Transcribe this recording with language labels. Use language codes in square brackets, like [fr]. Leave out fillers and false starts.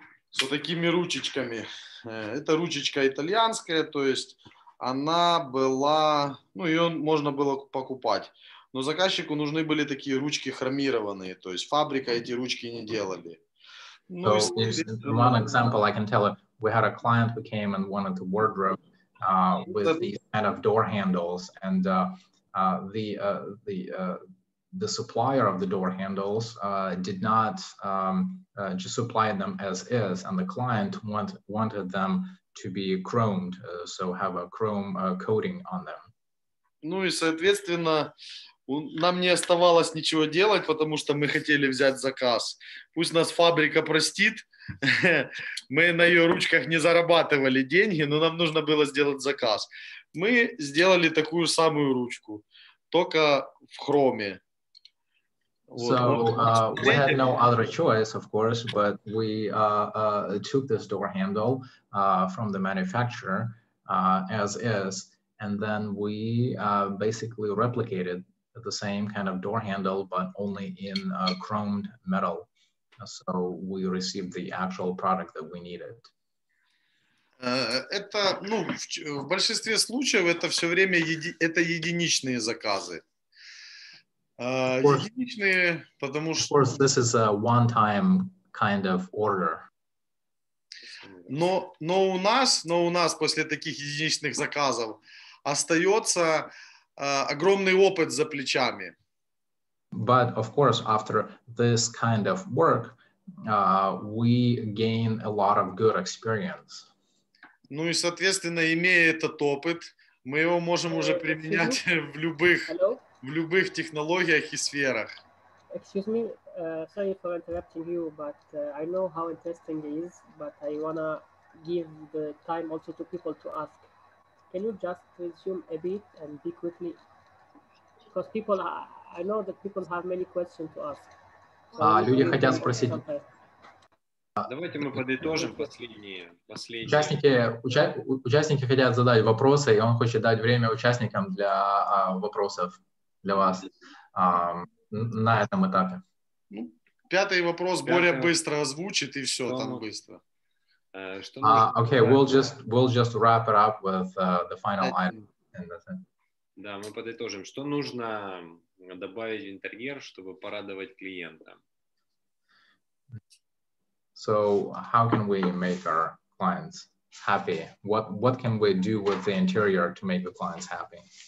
[ru] С вот такими ручечками. Это ручечка итальянская, то есть она была, ну, ее можно было покупать. Но заказчику нужны были такие ручки хромированные, то есть фабрика эти ручки не делали. [en] Ну, so, one example I can tell you. We had a client who came and wanted the wardrobe with these kind of door handles, and the supplier of the door handles did not just supply them as is, and the client wanted them to be chromed, so have a chrome coating on them. [ru] Ну и соответственно, нам не оставалось ничего делать, потому что мы хотели взять заказ. Пусть нас фабрика простит. Мы на ее ручках не зарабатывали деньги, но нам нужно было сделать заказ. Мы сделали такую самую ручку, только в хроме. [en] So we had no other choice, of course, but we took this door handle from the manufacturer as is, and then we basically replicated the same kind of door handle, but only in chromed metal. So we received the actual product that we needed. [ru] Это, ну, в большинстве случаев это все время единичные заказы. Единичные, потому что... [en] Of course, this is a one-time kind of order. [ru] Но у нас после таких единичных заказов остается огромный опыт за плечами. [en] But of course, after this kind of work, we gain a lot of good experience. [ru] Ну и соответственно, имея этот опыт, мы его можем уже применять в любых технологиях и сферах. [en] Excuse me, sorry for interrupting you, but I know how interesting it is, but I wanna give the time also to people to ask. Can you just resume a bit and be quickly? Because people, I know that people have many questions to ask. [ru] Люди хотят спросить. Давайте мы подытожим последние. Участники хотят задать вопросы, и он хочет дать время участникам для вопросов для вас на этом этапе. Пятый вопрос более быстро озвучит, и все, там быстро. [en] Okay, we'll just wrap it up with the final item. [ru] Да, мы подытожим. Что нужно добавить в интерьер, чтобы порадовать клиента? [en] So how can we make our clients happy? What can we do with the interior to make the clients happy?